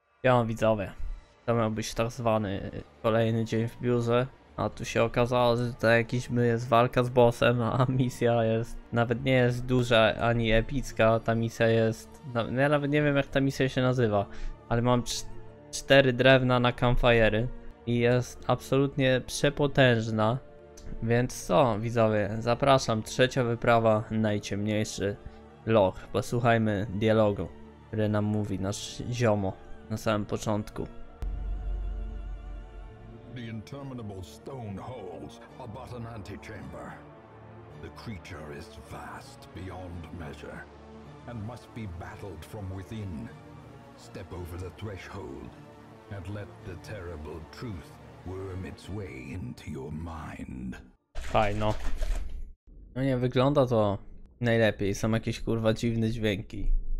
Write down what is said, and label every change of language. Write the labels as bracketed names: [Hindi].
[Polish] Ja, widzowie, to miał być tak zwany kolejny dzień w biurze, a tu się okazało, że to jakiś my jest walka z bossem, a misja jest, nawet nie jest duża ani epicka, ta misja jest, no, ja nawet nie wiem jak ta misja się nazywa, ale mam cztery drewna na campfire'y i jest absolutnie przepotężna, więc co, widzowie, zapraszam, trzecia wyprawa, najciemniejszy loch, posłuchajmy dialogu, który nam mówi nasz ziomo. Na samym początku. [English] The interminable stone halls are but an antechamber. The creature is vast beyond measure and must be battled from within. Step over the threshold and let the terrible truth worm its way into your mind. [Polish] Fajno. No nie, wygląda to najlepiej. Są jakieś kurwa dziwne dźwięki.